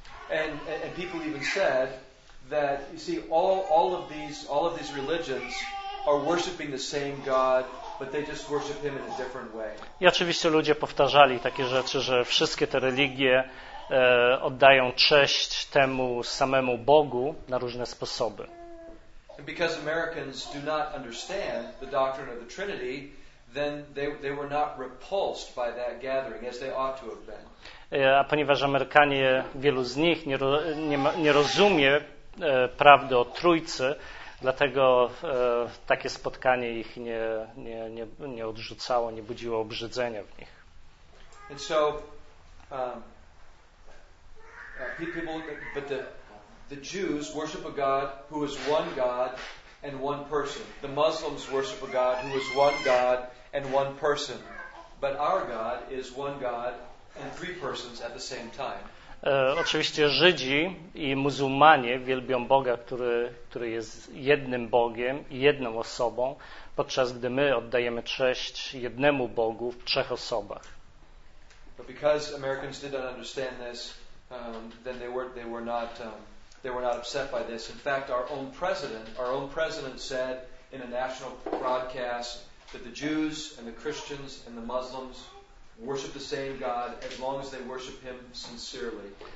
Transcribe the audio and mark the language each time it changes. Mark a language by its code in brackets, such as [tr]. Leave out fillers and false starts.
[en] And people even said that, you see, all of these religions are worshiping the same God, but they just worship him in a different way. [pl] I oczywiście ludzie powtarzali takie rzeczy, że wszystkie te religie oddają cześć temu samemu Bogu na różne sposoby. [en] And because Americans do not understand the doctrine of the Trinity, then they were not repulsed by that gathering as they ought to have been. [pl] A ponieważ Amerykanie, wielu z nich nie rozumie prawdy o Trójcy, dlatego takie spotkanie ich nie odrzucało, nie budziło obrzydzenia w nich. [en] And so people, but the Jews worship a God who is one God and one person. The Muslims worship a God who is one God and one person. But our God is one God and three persons at the same time. [pl] Oczywiście Żydzi i muzułmanie wielbią Boga, który jest jednym Bogiem i jedną osobą, podczas gdy my oddajemy cześć jednemu Bogu w trzech osobach. [en] But because Americans did not understand this, then they were not upset by this. In fact, our own president said in a national broadcast that the Jews and the Christians and the Muslims worship the same God as long as they worship him sincerely.